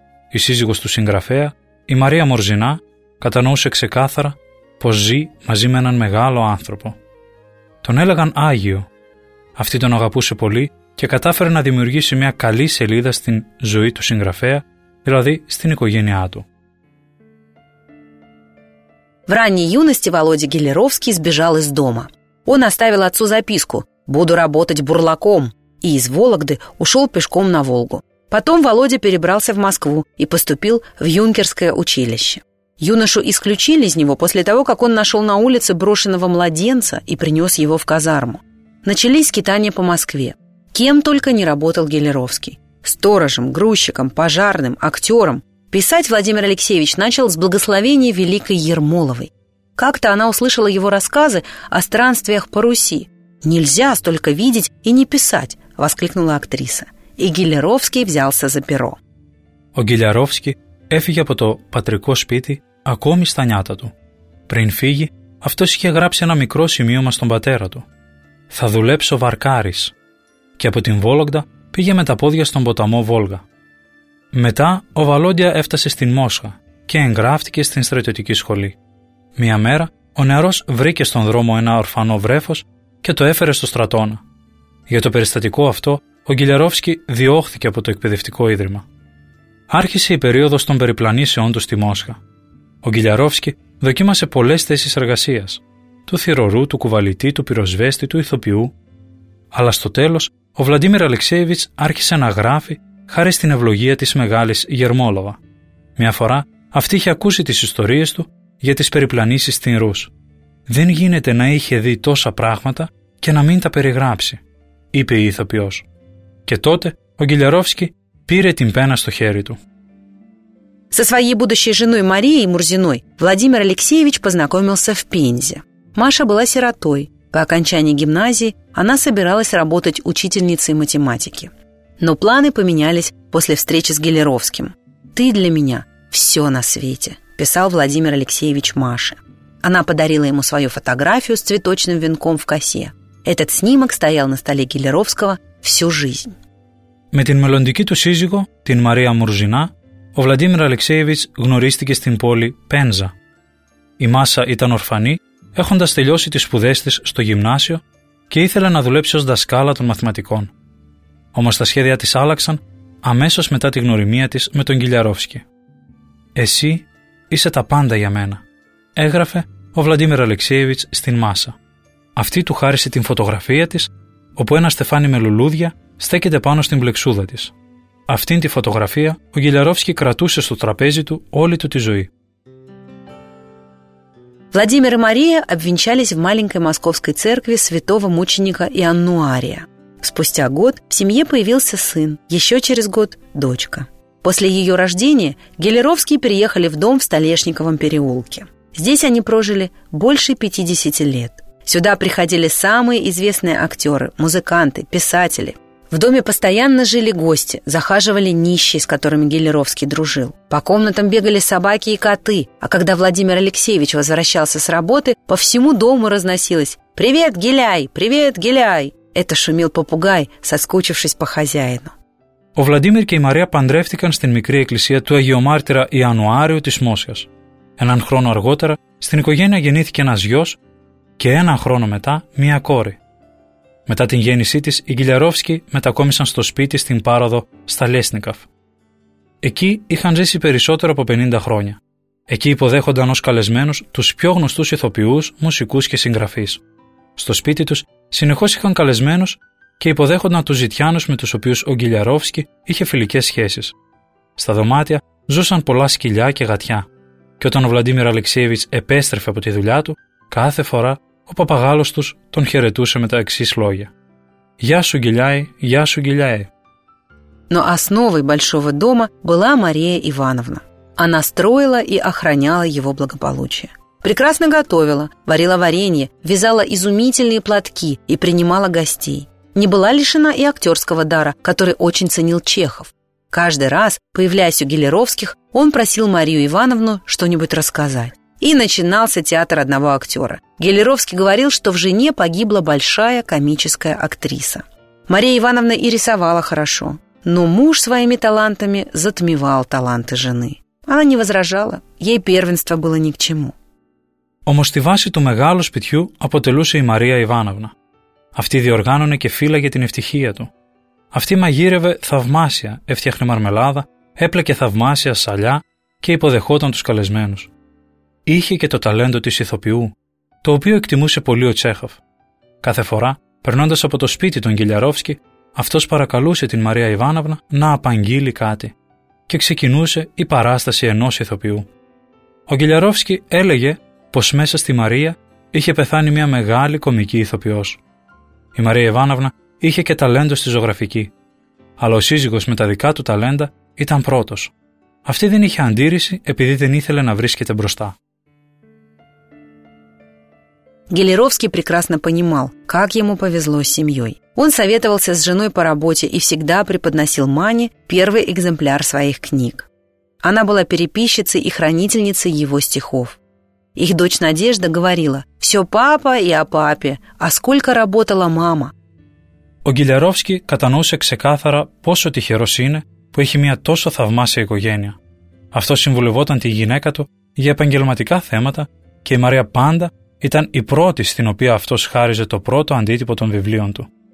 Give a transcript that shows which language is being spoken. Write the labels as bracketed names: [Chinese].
[Greek] Η σύζυγος του συγγραφέα, η Μαρία Μορζινά, κατανοούσε ξεκάθαρα πως ζει μαζί με έναν μεγάλο άνθρωπο. Τον έλεγαν Άγιο. Αυτή τον αγαπούσε πολύ και κατάφερε να δημιουργήσει μια καλή σελίδα στην ζωή του συγγραφέα, δηλαδή στην οικογένειά του. [Russian] В ранней юности Володя Гиляровский сбежал из дома. Он оставил отцу записку «Буду работать бурлаком» и из Вологды ушел пешком на Волгу. Потом Володя перебрался в Москву и поступил в юнкерское училище. Юношу исключили из него после того, как он нашел на улице брошенного младенца и принес его в казарму. Начались скитания по Москве. Кем только не работал Гиляровский. Сторожем, грузчиком, пожарным, актером. Писать Владимир Алексеевич начал с благословения великой Ермоловой. Как-то она услышала его рассказы о странствиях по Руси. «Нельзя столько видеть и не писать», – воскликнула актриса. И Гиляровский взялся за перо. О Гиляровский... [Greek] Έφυγε από το πατρικό σπίτι ακόμη στα νιάτα του. Πριν φύγει, αυτός είχε γράψει ένα μικρό σημείωμα στον πατέρα του. «Θα δουλέψω βαρκάρης». Και από την Βόλογδα πήγε με τα πόδια στον ποταμό Βόλγα. Μετά, ο Βαλόντια έφτασε στην Μόσχα και εγγράφτηκε στην στρατιωτική σχολή. Μια μέρα, ο νεαρός βρήκε στον δρόμο ένα ορφανό βρέφος και το έφερε στο στρατόνα. Για το περιστατικό αυτό, ο Γκυλιαρόφσκι διώχθηκε από το εκπαιδευτικό ίδρυμα. Άρχισε η περίοδος των περιπλανήσεών του στη Μόσχα. Ο Γκυλιαρόφσκι δοκίμασε πολλές θέσεις εργασίας, του θυρωρού, του κουβαλητή, του πυροσβέστη, του ηθοποιού. Αλλά στο τέλος, ο Βλαντίμιρ Αλεξέεβιτς άρχισε να γράφει χάρη στην ευλογία της μεγάλης Γερμόλοβα. Μια φορά, αυτή είχε ακούσει τις ιστορίες του για τις περιπλανήσεις στην Ρούς. «Δεν γίνεται να είχε δει τόσα πράγματα και να μην τα περιγράψει», είπε η ηθοποιός. Και τότε ο Γκυλιαρόφσκι пире тим пена сто хериту. [Russian] Со своей будущей женой Марией Мурзиной Владимир Алексеевич познакомился в Пензе. Маша была сиротой. По окончании гимназии она собиралась работать учительницей математики. Но планы поменялись после встречи с Гиляровским. «Ты для меня все на свете», – писал Владимир Алексеевич Маше. Она подарила ему свою фотографию с цветочным венком в косе. Этот снимок стоял на столе Гиляровского всю жизнь. [Greek] Με την μελλοντική του σύζυγο, την Μαρία Μουρζινά, ο Βλαντίμιρ Αλεξέεβιτς γνωρίστηκε στην πόλη Πένζα. Η Μάσα ήταν ορφανή, έχοντας τελειώσει τις σπουδές της στο γυμνάσιο και ήθελε να δουλέψει ως δασκάλα των μαθηματικών. Όμως τα σχέδια της άλλαξαν αμέσως μετά τη γνωριμία της με τον Γκυλιαρόφσκι. «Εσύ είσαι τα πάντα για μένα», έγραφε ο Βλαντίμιρ Αλεξέεβιτς στην Μάσα. Αυτή του χάρισε την φωτογραφία της, όπου ένα στεφάνι με λουλούδια στέκεται πάνω στην πλεξούδα της. Αυτήν τη φωτογραφία ο Γκυλιαρόφσκι κρατούσε στο τραπέζι του όλη του τη ζωή. [Russian] Владимир и Мария обвенчались в маленькой московской церкви святого мученика Иоаннуария. Спустя год в семье появился сын, еще через год – дочка. После ее рождения Гиляровские переехали в дом в Столешниковом переулке. Здесь они прожили больше 50 лет. Сюда приходили самые известные актеры, музыканты, писатели. В доме постоянно жили гости, захаживали нищие, с которыми Гелеровский дружил. По комнатам бегали собаки и коты, а когда Владимир Алексеевич возвращался с работы, по всему дому разносилось «Привет, Геляй! Привет, Геляй!» Это шумел попугай, соскучившись по хозяину. [Greek] Ο Βλαντίμιρ και η Μαρία παντρεύτηκαν στην μικρή εκκλησία του Αγιομάρτυρα Ιανουάριου της Μόσιας. Έναν χρόνο αργότερα, στην οικογένεια γεννήθηκε ένας γιος και έναν χρόνο μετά μία κόρη. Μετά την γέννησή της, οι Γκυλιαρόφσκοι μετακόμισαν στο σπίτι στην Πάροδο, στα Λέσνικαφ. Εκεί είχαν ζήσει περισσότερο από 50 χρόνια. Εκεί υποδέχονταν ως καλεσμένους τους πιο γνωστούς ηθοποιούς, μουσικούς και συγγραφείς. Στο σπίτι τους συνεχώς είχαν καλεσμένους και υποδέχονταν τους ζητιάνους με τους οποίους ο Γκυλιαρόφσκι είχε φιλικές σχέσεις. Στα δωμάτια ζούσαν πολλά σκυλιά και γατιά. Και όταν ο Βλαντίμιρ Αλεξίεβιτς επέστρεφε από τη δουλειά του, κάθε φορά ο παπαγάλος τους τον χαιρετούσε με τα εξής λόγια: «Γεια σου, Γκυλιάη, γεια σου, Γκυλιάη». [Russian] Но основой большого дома была Мария Ивановна. Она строила и охраняла его благополучие. Прекрасно готовила, варила варенье, вязала изумительные платки и принимала гостей. Не была лишена и актерского дара, который очень ценил Чехов. Каждый раз, появляясь у Гелеровских, он просил Марию Ивановну что-нибудь рассказать. И начинался театр одного актера. Гелеровский говорил, что в жене погибла большая комическая актриса. Мария Ивановна и рисовала хорошо, но муж своими талантами затмевал таланты жены. Она не возражала, ей первенство было ни к чему. [Greek] Όμως τη βάση του μεγάλου σπιτιού αποτελούσε η Μαρία Ιβάνοβνα. Αυτή διοργάνωνε και φύλαγε την ευτυχία του. Αυτή μαγείρευε θαυμάσια, έφτιαχνε μαρμελάδα, έπλεκε θαυμάσια σαλιά και υποδεχόταν τους καλεσμένους. Είχε και το ταλέντο της ηθοποιού, το οποίο εκτιμούσε πολύ ο Τσέχοφ. Κάθε φορά, περνώντας από το σπίτι του Γκυλιαρόφσκι, αυτός παρακαλούσε την Μαρία Ιβάνοβνα να απαγγείλει κάτι και ξεκινούσε η παράσταση ενός ηθοποιού. Ο Γκυλιαρόφσκι έλεγε πως μέσα στη Μαρία είχε πεθάνει μια μεγάλη κωμική ηθοποιός. Η Μαρία Ιβάνοβνα είχε και ταλέντο στη ζωγραφική. Αλλά ο σύζυγος με τα δικά του ταλέντα ήταν πρώτος. Αυτή δεν είχε αντίρρηση επειδή δεν ήθελε να βρίσκεται μπροστά. [Russian] Гелеровский прекрасно понимал, как ему повезло с семьей. Он советовался с женой по работе и всегда преподносил Мане первый экземпляр своих книг. Она была переписчицей и хранительницей его стихов. Их дочь Надежда говорила: «Все папа и о папе, а сколько работала мама». [Greek] Ο Γκυλιαρόφσκι κατανοούσε ξεκάθαρα πόσο τυχερός είναι που έχει μια τόσο θαυμάσια οικογένεια. Αυτό συμβουλευόταν τη γυναίκα του για επαγγελματικά θέματα και η Μαρία πάντα ήταν η πρώτη στην οποία αυτός χάριζε το πρώτο αντίτυπο των βιβλίων του.